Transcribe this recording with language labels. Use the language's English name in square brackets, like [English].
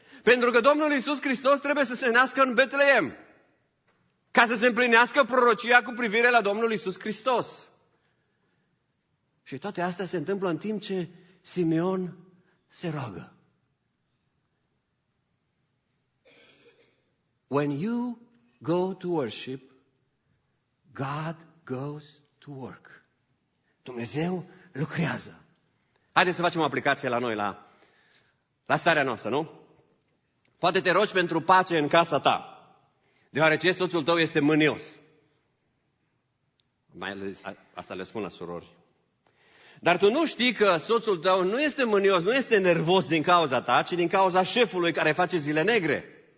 [Romanian] Pentru că Domnul Iisus Hristos trebuie să se nască în Betleem. Ca să se împlinească prorocia cu privire la Domnul Iisus Hristos. Și toate astea se întâmplă în timp ce Simeon se roagă. [English] When you go to worship, God goes to work. [Romanian] Dumnezeu lucrează. Haideți să facem o aplicație la noi, la starea noastră, nu? Poate te rogi pentru pace în casa ta, deoarece soțul tău este mânios. Mai ales, asta le spun la surori. Dar tu nu știi că soțul tău nu este mânios, nu este nervos din cauza ta, ci din cauza șefului care face zile negre.